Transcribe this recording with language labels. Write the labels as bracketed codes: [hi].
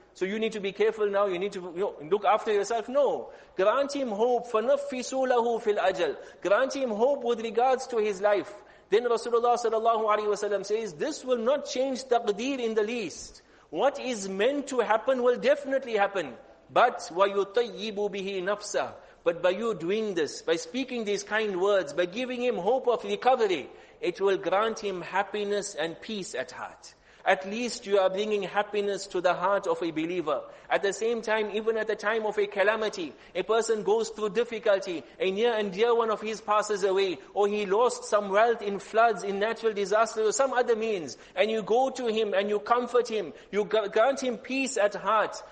[en] So you need to be careful now. You need to look after yourself. No. Grant him hope. [ar] فَنَفِّسُوا لَهُ فِي الْأَجَلِ. [en] Grant him hope with regards to his life. Then Rasulullah sallallahu alayhi wa sallam says, this will not change taqdeer in the least. What is meant to happen will definitely happen. But [ar] وَيُطَيِّبُ بِهِ نَفْسَهُ. [en] But by you doing this, by speaking these kind words, by giving him hope of recovery, it will grant him happiness and peace at heart. At least you are bringing happiness to the heart of a believer. At the same time, even at the time of a calamity, a person goes through difficulty, a near and dear one of his passes away, or he lost some wealth in floods, in natural disasters, or some other means, and you go to him and you comfort him, you grant him peace at heart.